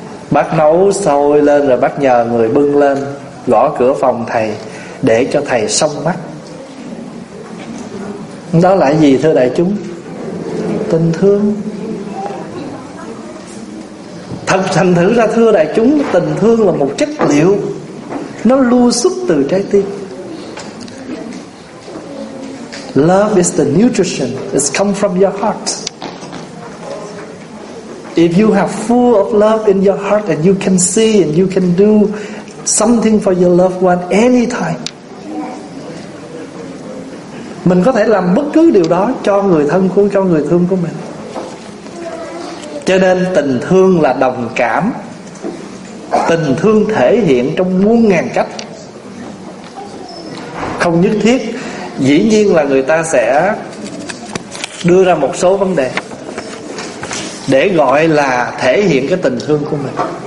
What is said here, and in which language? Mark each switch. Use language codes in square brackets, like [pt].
[vi] Bác nấu sôi lên rồi bác nhờ người bưng lên, gõ cửa phòng thầy để cho thầy xông mắt. Đó là gì thưa đại chúng? Tình thương. Thật thành thử ra thưa đại chúng, tình thương là một chất liệu, nó lưu xuất từ trái tim. [en] Love is the nutrition, it's come from your heart. If you have full of love in your heart and you can see and you can do something for your loved one anytime. [vi] Mình có thể làm bất cứ điều đó cho người thân của, cho người thương của mình. Cho nên tình thương là đồng cảm, tình thương thể hiện trong muôn ngàn cách. Không nhất thiết, dĩ nhiên là người ta sẽ đưa ra một số vấn đề để gọi là thể hiện cái tình thương của mình.